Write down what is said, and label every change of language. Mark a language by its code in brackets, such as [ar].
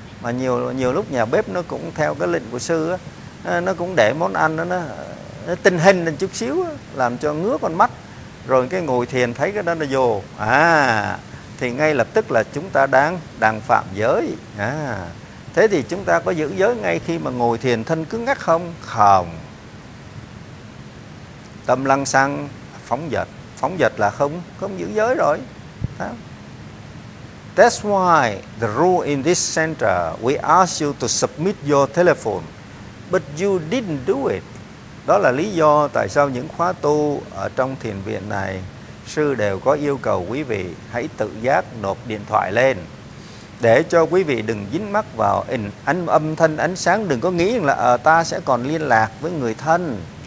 [vi] Mà nhiều lúc nhà bếp nó cũng theo cái lệnh của sư á, nó cũng để món ăn đó, nó tinh hình lên chút xíu á, làm cho ngứa con mắt, rồi cái ngồi thiền thấy cái đó nó vô, thì ngay lập tức là chúng ta đang phạm giới. Thế thì chúng ta có giữ giới ngay khi mà ngồi thiền thân cứng ngắc không? Không. Tâm lăng xăng, phóng dật là không giữ giới rồi. [en] That's why the rule in this center, we ask you to submit your telephone, but you didn't do it. [vi] Đó là lý do tại sao những khóa tu ở trong thiền viện này, sư đều có yêu cầu quý vị hãy tự giác nộp điện thoại lên, để cho quý vị đừng dính mắc vào âm thanh ánh sáng, đừng có nghĩ là ta sẽ còn liên lạc với người thân.